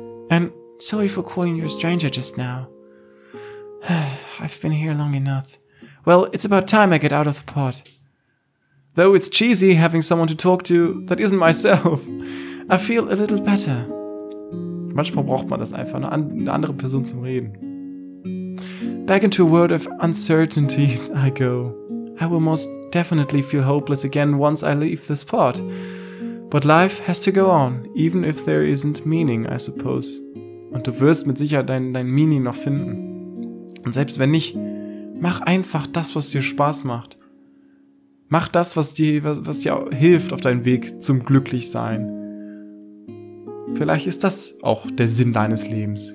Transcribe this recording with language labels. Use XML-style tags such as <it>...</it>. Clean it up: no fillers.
<en>And sorry for calling you a stranger just now. I've been here long enough. Well, it's about time I get out of the pod. Though it's cheesy having someone to talk to that isn't myself, I feel a little better.</en> <de>Manchmal braucht man das einfach, eine andere Person zum Reden.</de> <en>Back into a world of uncertainty I go. I will most definitely feel hopeless again once I leave this pod. But life has to go on, even if there isn't meaning, I suppose.</en> <de>Und du wirst mit Sicherheit dein Meaning noch finden. Und selbst wenn nicht, mach einfach das, was dir Spaß macht. Mach das, was dir hilft auf deinem Weg zum Glücklichsein. Vielleicht ist das auch der Sinn deines Lebens.</de>